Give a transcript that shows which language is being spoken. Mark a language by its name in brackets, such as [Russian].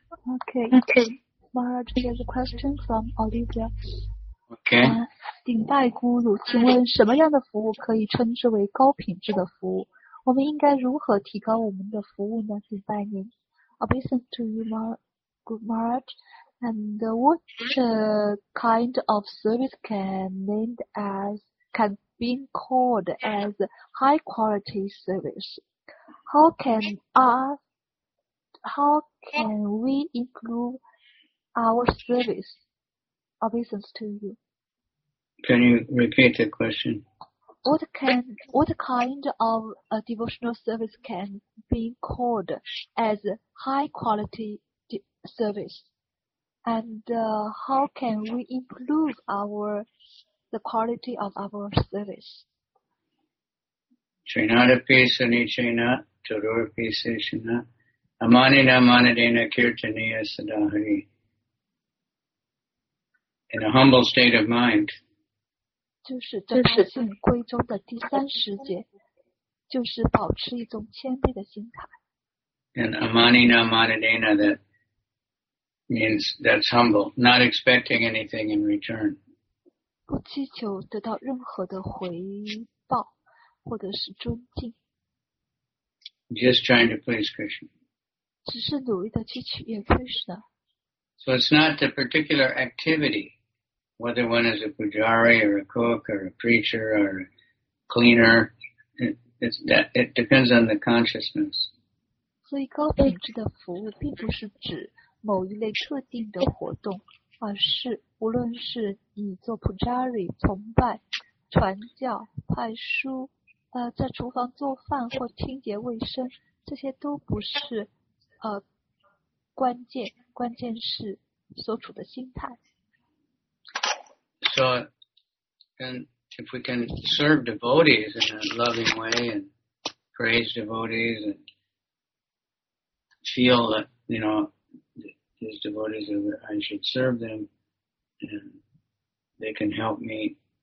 [English] Okay. Okay. Question from Olivia. Okay. [Chinese] 顶戴咕噜，请问什么样的服务可以称之为高品质的服务？我们应该如何提高我们的服务呢？顶戴您。 [English] I'll listen to you, Maharaj. And what kind of service can be called as high quality service? How can we improve our service? I'll listen to you. Can you repeat the question? What kind of devotional service can be called as high quality service? And how can we improve the quality of our service? [Sanskrit] Chinata pisa ni china, tadura pisa china. Amanina manadena kirtaniya sadahari. [English] In a humble state of mind. [Chinese] 就是正大信归中的第三十节，就是保持一种谦卑的心态。 [English] And [Sanskrit] amanina manadena, [English] that means that's humble, not expecting anything in return. [Chinese] 不祈求得到任何的回报或者是尊敬。 [English] Just trying to please Krishna. [Chinese] 只是努力地去取悦 Krishna。 [English] So it's not the particular activity, whether one is a pujari or a cook or a preacher or a cleaner, it depends on the consciousness. [Chinese] 所以高品质的服务并不是指某一类特定的活动，而是无论是你做 pujari 崇拜、传教、派书、在厨房做饭或清洁卫生，这些都不是关键是所处的心态。 [English] So, and if we can serve devotees in a loving way and praise devotees and feel that, you know, these devotees, I should serve them and they can help me.